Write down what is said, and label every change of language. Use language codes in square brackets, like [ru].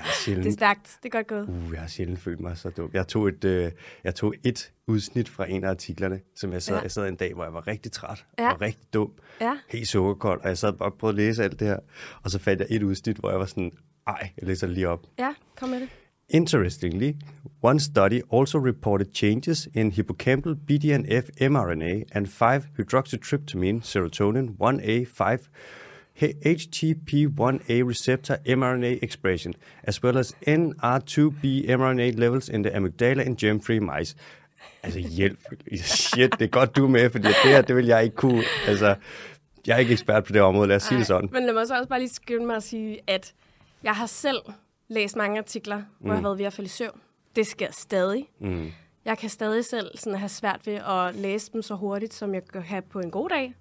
[da] Det er stærkt. Det er godt gået. Jeg har sjældent følt mig så dum. Jeg tog et udsnit fra en af artiklerne, som jeg sad. Ja. Jeg sad en dag, hvor jeg var rigtig træt og rigtig dum. Ja. Helt sukkerkold. Og jeg sad bare og prøvede at læse alt det her. Og så fandt jeg et udsnit, hvor jeg var sådan, jeg læser lige op. Ja, kom med det. [en] Interestingly, one study also reported changes in hippocampal BDNF mRNA and 5-hydroxytryptamine serotonin 1A5 HTP1A receptor mRNA expression, as well as NR2B mRNA levels in the amygdala in germ-free mice. [da] Altså hjælp. Shit, det er godt du med, fordi det vil jeg ikke kunne. Altså, jeg er ikke ekspert på det område, lad os sige det sådan. Men lad mig så også bare lige skynde mig at sige, at jeg har selv... læst mange artikler, hvor jeg har været ved at falde i søvn. Det sker stadig. Mm. Jeg kan stadig selv sådan have svært ved at læse dem så hurtigt, som jeg kan have på en god dag.